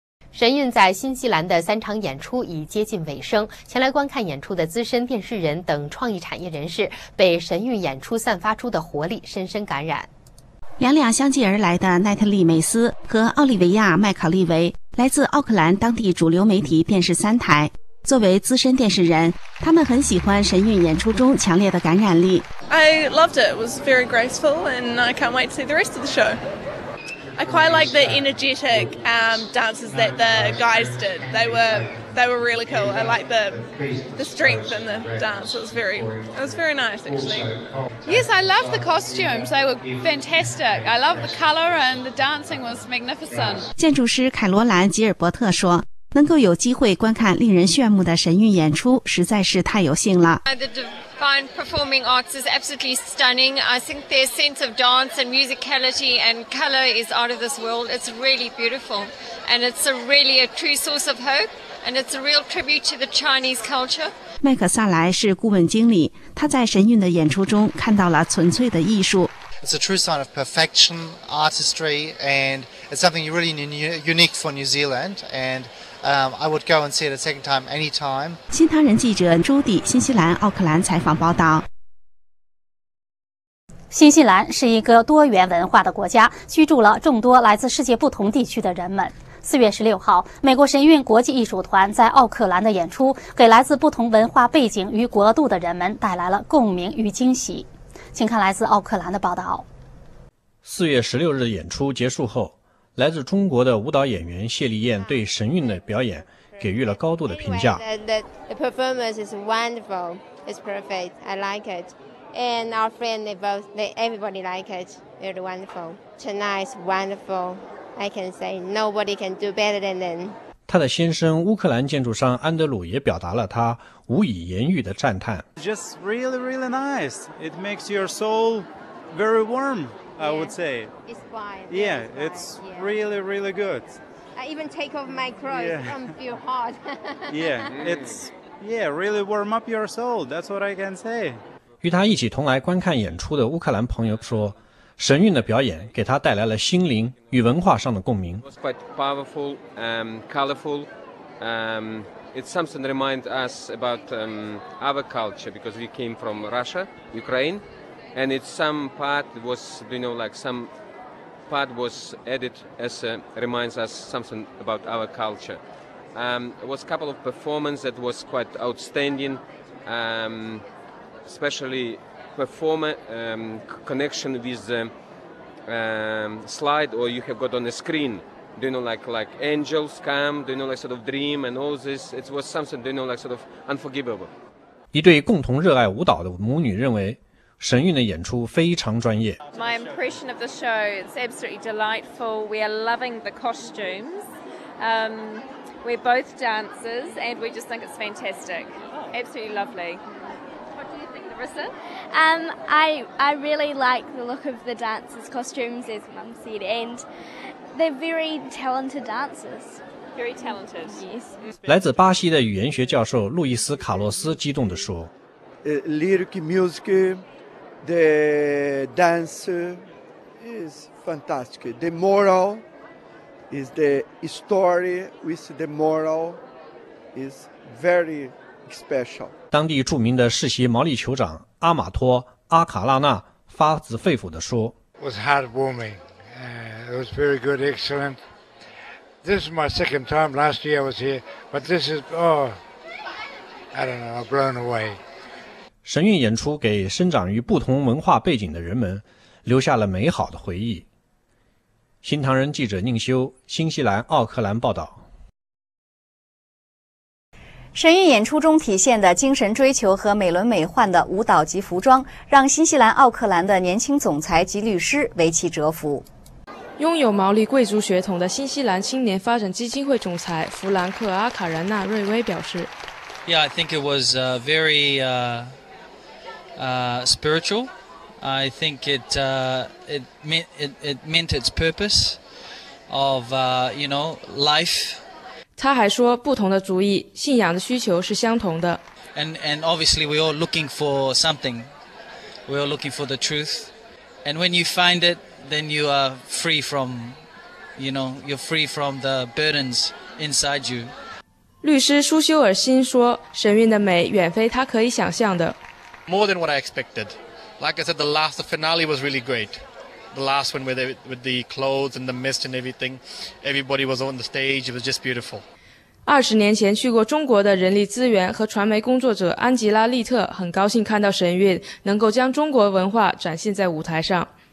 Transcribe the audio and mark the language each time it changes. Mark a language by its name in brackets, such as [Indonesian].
[Chinese] 神韵在新西兰的三场演出已接近尾声，前来观看演出的资深电视人等创意产业人士被神韵演出散发出的活力深深感染。两两相继而来的奈特利·梅斯和奥利维亚·麦考利维来自奥克兰当地主流媒体电视三台。作为资深电视人，他们很喜欢神韵演出中强烈的感染力。 [English] I loved it. It was very graceful, and I can't wait to see the rest of the show. I quite like the energetic dances that the guys did. They were really cool. I like the strength in the dance. It was very nice, actually. Yes, I love the costumes. They were fantastic. I love the color and the dancing was magnificent. [Chinese] 建筑师凯罗兰·吉尔伯特说，能够有机会观看令人炫目的神韵演出实在是太有幸了。 [English] The Divine Performing Arts is absolutely stunning. I think their sense of dance and musicality and color is out of this world. It's really beautiful. And it's a really a true source of hope. And it's a real tribute to the Chinese culture. [Chinese] 麦克萨莱是顾问经理，他在神韵的演出中看到了纯粹的艺术。 [English] It's a true sign of perfection, artistry, and it's something really unique for New Zealand. And I would go and see it a second time, anytime. [Chinese] 新唐人记者朱迪，新西兰奥克兰采访报道。新西兰是一个多元文化的国家，居住了众多来自世界不同地区的人们。四月十六号，美国神韵国际艺术团在奥克兰的演出，给来自不同文化背景与国度的人们带来了共鸣与惊喜。请看来自奥克兰的报道。四月十六日演出结束后，来自中国的舞蹈演员谢丽燕对神韵的表演给予了高度的评价。 [English] The performance is wonderful. It's perfect. I like it. And our friend, everybody like it. Very wonderful. Tonight's wonderful. I can say nobody can do better than them. [Chinese] 他的先生乌克兰建筑商安德鲁也表达了他无以言喻的赞叹。 [English] Just really, really nice. It makes your soul very warm. I would say. It's fine. Yeah, it's fine. Really, really good. I even take off my clothes. Yeah. I feel hot. Yeah, it's yeah, really warm up your soul. That's what I can say. [Chinese] 与他一起同来观看演出的乌克兰朋友说，神韵的表演给他带来了心灵与文化上的共鸣。 [English] It was quite powerful, colorful. It's something that reminds us about our culture because we came from Russia, Ukraine. And it's some part was, you know, like some part was added as reminds us something about our culture. It was a couple of performances that was quite outstanding, especially performer connection with the slide or you have got on the screen. Do you know, like angels come, do you know, like sort of dream and all this. It was something, do you know, like sort of unforgivable. [Chinese] 一对共同热爱舞蹈的母女认为神韵的演出非常专业。 [English] My impression of the show is absolutely delightful. We are loving the costumes. We're both dancers, and we just think it's fantastic. Absolutely lovely. What do you think, Larissa? I really like the look of the dancers' costumes, as Mum said, and they're very talented dancers. Very talented. Yes. [Chinese] 来自巴西的语言学教授路易斯·卡洛斯激动地说 [English] ：“Lyric music.” The dance is fantastic. The moral is the story with the moral is very special. [Chinese] 当地著名的世袭毛利酋长阿玛托·阿卡拉纳发自肺腑地说 [English] It was heartwarming. It was very good, excellent. This is my second time. Last year I was here, but this is, I don't know, I'm blown away. [Chinese] 神韵演出给生长于不同文化背景的人们留下了美好的回忆。新唐人记者宁修，新西兰奥克兰报道。神韵演出中体现的精神追求和美轮美奂的舞蹈及服装，让新西兰奥克兰的年轻总裁及律师为其折服。拥有毛利贵族血统的新西兰青年发展基金会总裁弗兰克·阿卡然纳·瑞威表示 [English] Yeah, I think it was very spiritual. I think it meant its purpose of, you know, life. [Chinese] 他还说不同的族裔信仰的需求是相同的。 [English] And obviously we're all looking for something. We're all looking for the truth. And when you find it, then you are free from, you know, you're free from the burdens inside you. [Chinese] 律师舒修尔辛说神韵的美远非他可以想象的。 [English] More than what I expected. Like I said, the finale was really great. The last one with the clothes and the mist and everything. Everybody was on the stage. It was just beautiful. [Chinese] 20年前去过中国的人力资源和传媒工作者安吉拉·利特很高兴看到神韵能够将中国文化展现在舞台上。